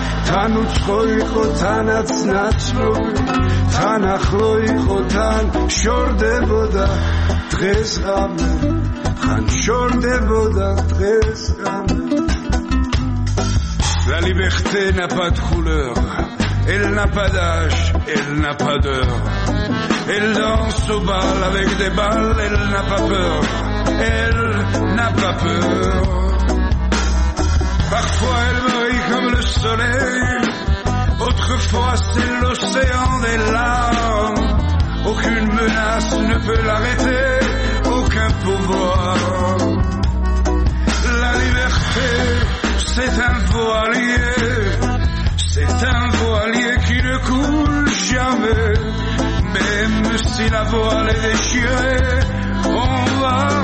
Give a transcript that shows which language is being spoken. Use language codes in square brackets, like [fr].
[ka] თან უცხო იყო, თანაც ნაცნობი, თან ახლო იყო, თან შორდებოდა დღეს ღამე, ხან შორდებოდა დღეს ღამე. [fr] La liberté n'a pas de couleur, elle n'a pas d'âge, elle n'a pas d'heure. Elle danse au bal avec des balles, elle n'a pas peur, elle n'a pas peur. Parfois elle brille comme le soleil, autrefois c'est l'océan des larmes. Aucune menace ne peut l'arrêter, aucun pouvoir. La liberté, c'est un voilier, c'est un voilier qui ne coule jamais. Même si la voile est déchirée, on va